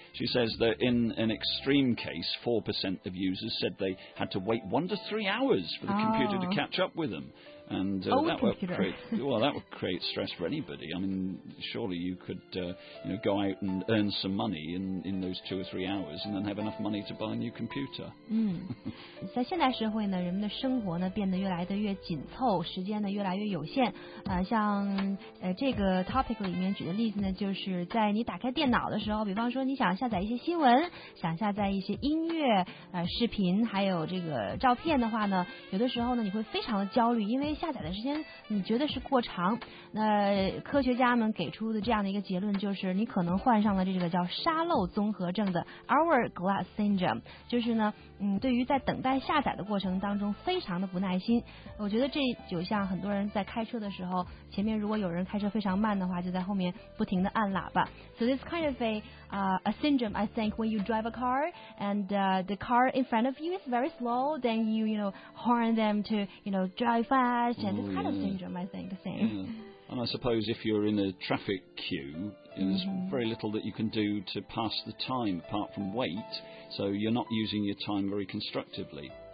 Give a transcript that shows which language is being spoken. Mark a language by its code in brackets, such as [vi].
[en] She says that in an extreme case, 4% of users said they had to wait 1 to 3 hours for the computer to catch up with them. And that would create stress for anybody. I mean, surely you could go out and earn some money in those 2 or 3 hours and then have enough money to buy a new computer. [zh] 在现代社会呢，人们的生活呢变得越来越紧凑，时间呢越来越有限。像这个 topic 里面举的例子呢，就是在你打开电脑的时候，比方说你想下载一些新闻，想下载一些音乐、视频，还有这个照片的话呢，有的时候呢你会非常的焦虑，因为下载的时间你觉得是过长。那科学家们给出的这样的一个结论就是，你可能患上了这个叫沙漏综合症的 [en] hourglass syndrome， [zh] 就是呢，对于在等待下载的过程当中非常的不耐心。我觉得这就像很多人在开车的时候，前面如果有人开车非常慢的话，就在后面不停的按喇叭。 [en] So this kind of a syndrome, I think, when you drive a car and the car in front of you is very slow, then you horn them to drive fast. And I suppose if you're in a traffic queue, there's very little that you can do to pass the time apart from wait, so you're not using your time very constructively.